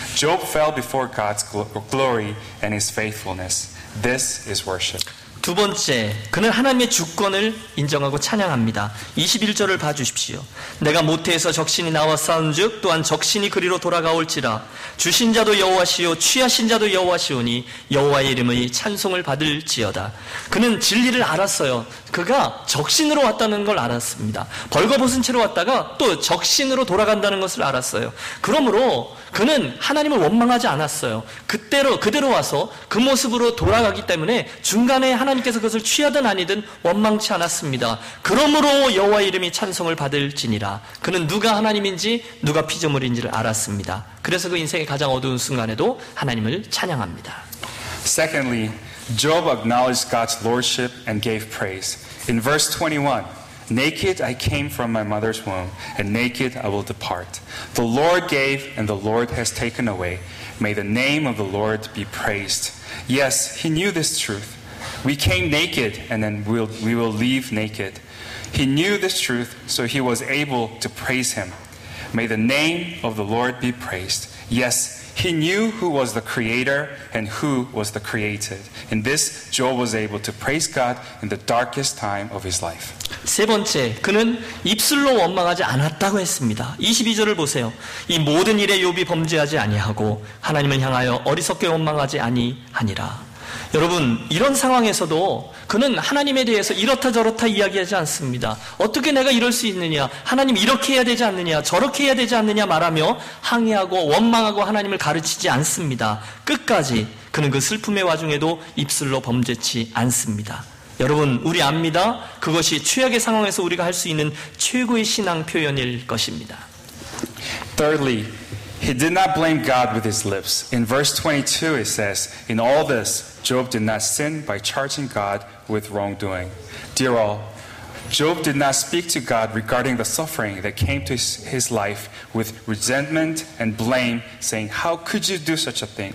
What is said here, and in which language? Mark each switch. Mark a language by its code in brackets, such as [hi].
[en] Job fell before God's glory and his faithfulness. This is worship. [ko] 두 번째, 그는 하나님의 주권을 인정하고 찬양합니다. 21절을 봐주십시오. 내가 모태에서 적신이 나와 싸운즉 또한 적신이 그리로 돌아가올지라. 주신 자도 여호와시오 취하신 자도 여호와시오니 여호와의 이름의 찬송을 받을지어다. 그는 진리를 알았어요. 그가 적신으로 왔다는 걸 알았습니다. 벌거벗은 채로 왔다가 또 적신으로 돌아간다는 것을 알았어요. 그러므로 그는 하나님을 원망하지 않았어요. 그대로 와서 그 모습으로 돌아가기 때문에 중간에 하나님께서 그것을 취하든 아니든 원망치 않았습니다. 그러므로 여호와 이름이 찬송을 받을지니라. 그는 누가 하나님인지 누가 피조물인지를 알았습니다. 그래서 그 인생의 가장 어두운 순간에도 하나님을 찬양합니다. [en] Secondly, Job acknowledged God's lordship and gave praise. In verse 21, Naked I came from my mother's womb, and naked I will depart. The Lord gave, and the Lord has taken away. May the name of the Lord be praised. Yes, he knew this truth. We came naked, and then we will leave naked. He knew this truth, so he was able to praise him. May the name of the Lord be praised. Yes, he knew who was the creator and who was the created. In this, Job was able to praise God in the darkest time of his life. [ko] 세 번째, 그는 입술로 원망하지 않았다고 했습니다. 22절을 보세요. 이 모든 일에 욥이 범죄하지 아니하고 하나님을 향하여 어리석게 원망하지 아니하니라. 여러분, 이런 상황에서도 그는 하나님에 대해서 이렇다 저렇다 이야기하지 않습니다. 어떻게 내가 이럴 수 있느냐, 하나님 이렇게 해야 되지 않느냐, 저렇게 해야 되지 않느냐 말하며 항의하고 원망하고 하나님을 가르치지 않습니다. 끝까지 그는 그 슬픔의 와중에도 입술로 범죄치 않습니다. 여러분, 우리 압니다. 그것이 최악의 상황에서 우리가 할 수 있는 최고의 신앙 표현일 것입니다. [en] Thirdly, he did not blame God with his lips. In verse 22, it says, "In all this, Job did not sin by charging God with wrongdoing." Dear all, Job did not speak to God regarding the suffering that came to his life with resentment and blame, saying, "How could you do such a thing?